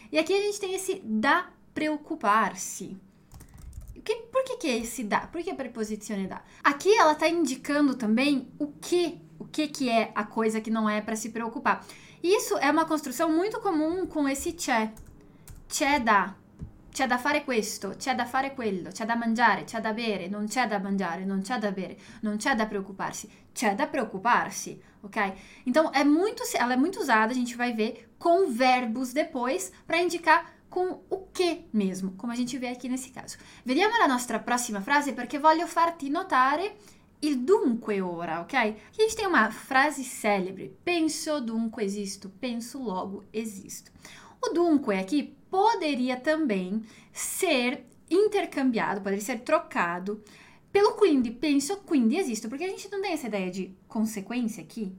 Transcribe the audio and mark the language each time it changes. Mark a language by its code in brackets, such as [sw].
[pt] E aqui a gente tem esse da preocupar-se. Por que que é esse da? Por que a preposizione da? Aqui ela está indicando também o que é a coisa que não é para se preocupar. Isso é uma construção muito comum com esse c'è. [it] C'è da fare questo, c'è da fare quello, c'è da mangiare, c'è da bere, non c'è da mangiare, non c'è da bere, non c'è da preoccuparsi, c'è da preoccuparsi, ok? [pt] Então, ela é muito usada, a gente vai ver, com verbos depois, para indicar com o que mesmo, como a gente vê aqui nesse caso. [it] Vediamo la nostra prossima frase, perché voglio farti notare il dunque ora, ok? [pt] Aqui a gente tem uma frase célebre, [it] penso dunque esisto, [pt] penso logo esisto. O dunque aqui poderia também ser intercambiado, poderia ser trocado pelo quindi, penso, quindi existo, porque a gente não tem essa ideia de consequência aqui.